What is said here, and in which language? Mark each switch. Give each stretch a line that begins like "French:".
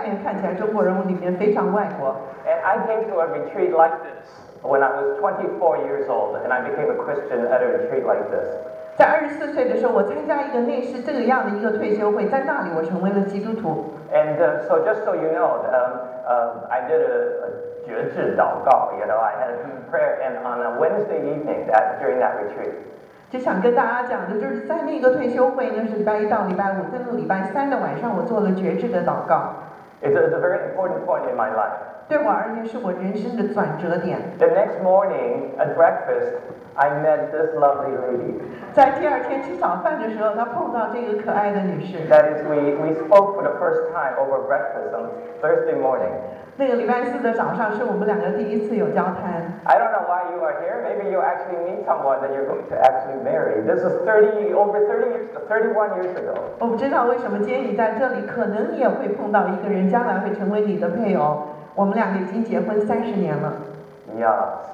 Chinese: 虽然我是在台湾出生的，我是看起来像一个中国人。我跟那个刚刚那个美国弟兄完全相反，他外面看起来是外国人，里面是非常中国。但是我是外面看起来中国人，我里面非常外国。
English: And I came to a retreat like this when I was 24 years old, and I became a Christian at a retreat like this.
Chinese: 在24岁的时候，我参加一个类似这样的一个退休会，在那里我成为了基督徒。
English: And so just so you know, I did a 绝志祷告, you know, I had a prayer, and on a Wednesday evening that during that retreat.
Chinese: 就想跟大家讲的，就是在那个退休会，那是礼拜一到礼拜五，在那个礼拜三的晚上，我做了绝志的祷告。
English: It's a very important point in my life.
Chinese: 对我而言，是我人生的转折点。
English: The next morning at breakfast, I met this lovely lady.
Chinese: 在第二天吃早饭的时候，她碰到这个可爱的女士。
English: That is, we spoke for the first time over breakfast on Thursday morning.
Chinese: 那个礼拜四的早上是我们两个第一次有交谈。
English: I don't know why you are here. Maybe you actually meet someone that you're going to actually marry. This is 31 years ago.
Chinese: 我不知道为什么今天你在这里，可能你也会碰到一个人，将来会成为你的配偶。我们两个已经结婚30年了。
English: Yeah,